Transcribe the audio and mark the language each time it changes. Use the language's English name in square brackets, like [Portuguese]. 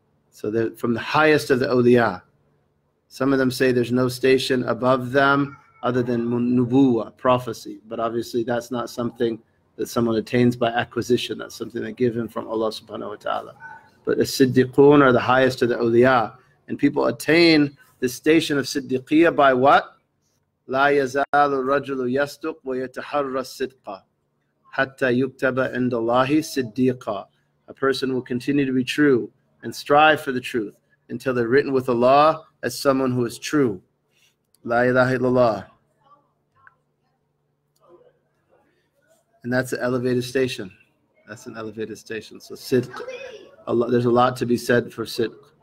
[English] So they're from the highest of the awliya. Some of them say there's no station above them other than nubuwa, prophecy. But obviously that's not something that someone attains by acquisition. That's something they give him from Allah subhanahu wa ta'ala. But the Siddiqun are the highest of the awliya. And people attain the station of Siddiqiyya by what? [Arabic] لا يزال الرجل يصدق ويتحرى الصدق حتى يكتب عند الله صديقا. [English] A person will continue to be true and strive for the truth until they're written with Allah as someone who is true. [Arabic] لا إله إلا الله. [English] And that's an elevated station. That's an elevated station. So صدق, Allah, there's a lot to be said for صدق.